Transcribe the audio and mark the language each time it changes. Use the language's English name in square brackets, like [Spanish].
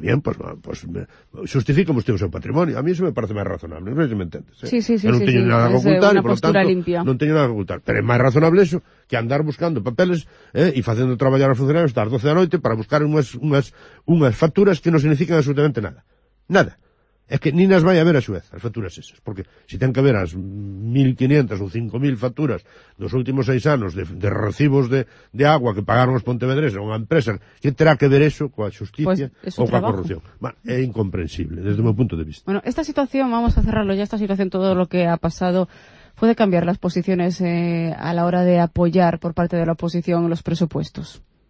[Spanish] Bien, pues justifica usted [Galician] o seu patrimonio. A mí eso me parece máis razonable, non sei se me entendes. Sí, sí, sí. Non teño sí, nada sí, que ocultar, por lo tanto, limpia. Non teño nada que ocultar. Pero é máis razonable eso que andar buscando papeles y facendo traballar aos funcionarios hasta as 12 da noite para buscar unhas facturas que non significan absolutamente nada. Nada. É que nin as vai a ver a Suez, as facturas esas. Porque se ten que ver as 1.500 ou 5.000 facturas dos últimos 6 anos de recibos de agua que pagaron os pontevedreses ou unha empresa, que terá que ver eso coa xustiza ou coa corrupción? É incomprensible, desde o meu punto de vista. [Spanish] Bueno, esta situación, vamos a cerrarlo ya, esta situación, todo lo que ha pasado, ¿puede cambiar las posiciones a la hora de apoyar por parte de la oposición los presupuestos?